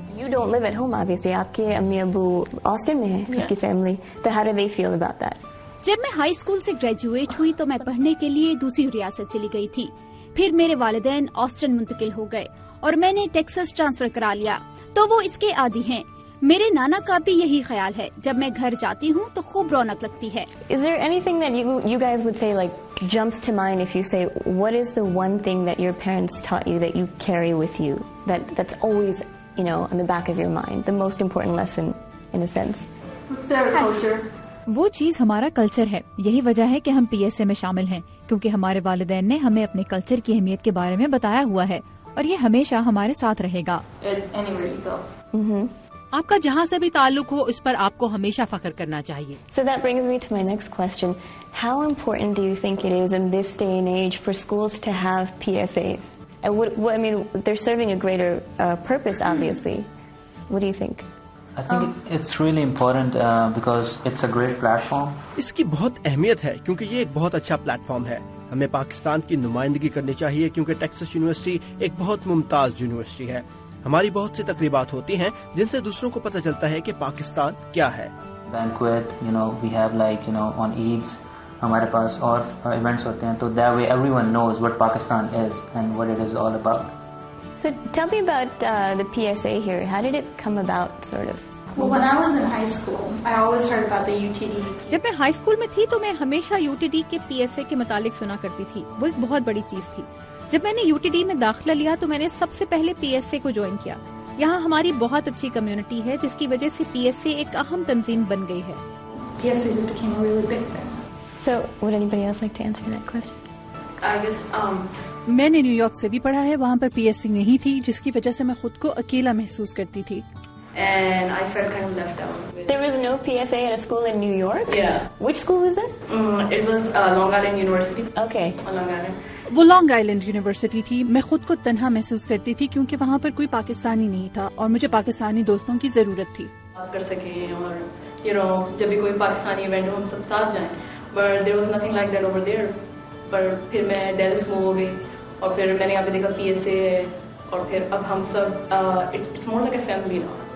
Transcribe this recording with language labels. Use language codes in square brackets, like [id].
[en] you don't live at home obviously, [ur] آپ کے امی ابو آسٹن میں ہیں، آپ کی فیملی، [en] تو how do they feel about that? [ur] جب میں ہائی اسکول سے گریجویٹ ہوئی تو میں پڑھنے کے لیے دوسری ریاست چلی گئی تھی۔ پھر میرے والدین آسٹن منتقل ہو گئے اور میں نے ٹیکساس ٹرانسفر کرا لیا، تو وہ اس کے عادی ہیں۔ میرے نانا کا بھی یہی خیال ہے، جب میں گھر جاتی ہوں تو خوب رونق لگتی ہے۔ [en] Is there anything that you guys would say like jumps to mind if you say what is the one thing that your parents taught you that you carry with you that's always, you know, on the back of your mind, the most important lesson in a sense? [ur] وہ چیز ہمارا culture ہے، یہی وجہ ہے کہ ہم P S A میں شامل ہیں، کیونکہ ہمارے والدین نے ہمیں اپنے کلچر کی اہمیت کے بارے میں بتایا ہوا ہے، اور یہ ہمیشہ ہمارے ساتھ رہے گا۔ آپ کا جہاں سے بھی تعلق ہو اس پر آپ کو ہمیشہ فخر کرنا چاہیے۔ [en] So that brings me to my next question. How important do you think it is in this day and age for schools to have PSAs? I mean, they're serving a greater purpose, obviously. What do you think? I think it's really important because it's a great platform. [ur] اس کی بہت اہمیت ہے کیونکہ یہ ایک بہت اچھا plate form ہے۔ ہمیں پاکستان کی نمائندگی کرنی چاہیے کیونکہ ٹیکساس یونیورسٹی ایک بہت ممتاز یونیورسٹی ہے۔ ہماری بہت سی تقریبات ہوتی ہیں جن سے دوسروں کو پتہ چلتا ہے کہ پاکستان کیا ہے۔ [en] Banquet, you know, we have like, you know, on Eids, [ur] ہمارے پاس اور ایونٹس ہوتے ہیں، تو [en] that way everyone knows what Pakistan is and what it is all about. So tell me about the PSA here. How did it come about, sort of? [ur] جب میں high school میں تھی تو میں ہمیشہ یو ٹی ڈی کے P S A کے متعلق سنا کرتی تھی، وہ ایک بہت بڑی چیز تھی۔ جب میں نے یو ٹی ڈی میں داخلہ لیا تو میں نے سب سے پہلے پی ایس اے کو جوائن کیا۔ یہاں ہماری بہت اچھی کمیونٹی ہے جس کی وجہ سے پی ایس اے ایک اہم تنظیم بن گئی ہے۔ [en] So, would anybody else like to answer that question? I guess [ur] میں نے نیو یارک سے بھی پڑھا ہے, وہاں پر پی ایس سی نہیں تھی جس کی وجہ سے میں خود کو اکیلا محسوس کرتی تھی. [en] And I felt kind of left out. There was no PSA at a school in New York? Yeah. Which school was this? It was Long Island University. Okay. Long Island. [ur] وہ لانگ آئلینڈ یونیورسٹی تھی. میں خود کو تنہا محسوس کرتی تھی کیونکہ وہاں پر کوئی پاکستانی نہیں تھا اور مجھے پاکستانی دوستوں کی ضرورت تھی. بات کر سکیں اور [en] you know [ur] جب بھی کوئی پاکستانی ایونٹ ہو ہم سب ساتھ جائیں. [en] But there was nothing like that over there. [ur] پر پھر میں ڈیلس موو ہو گئی اور پھر میں نے یہاں پہ دیکھا پی ایس اے ہے اور پھر اب ہم سب [en] it's more like a family [ur] نا.